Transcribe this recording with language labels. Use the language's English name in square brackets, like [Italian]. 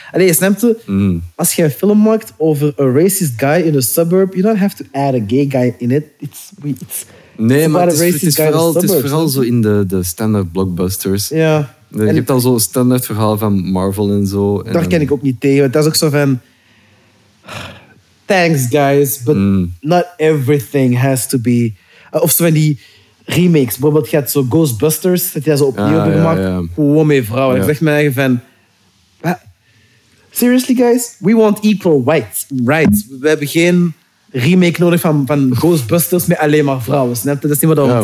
[Dutch] Allee, je snapt het? Als je een film maakt over [English] a racist guy in a suburb, you don't have to add a gay guy in it. [Dutch] Het is vooral zo in de standaard blockbusters. Ja. Je hebt al zo'n standaard verhaal van Marvel en zo. Daar ken ik ook niet tegen. Dat is ook zo van... [English] Thanks, guys, but not everything has to be... [Dutch] Of zo van die remakes. Bijvoorbeeld, je hebt zo Ghostbusters, dat je ze opnieuw hebt gemaakt. Gewoon mee vrouwen. Ik zeg mijn eigen van... [English] Seriously, guys? We want equal rights. Right. [Dutch] We hebben geen remake nodig van Ghostbusters met alleen maar vrouwen. Snap je? Dat is niet wat dat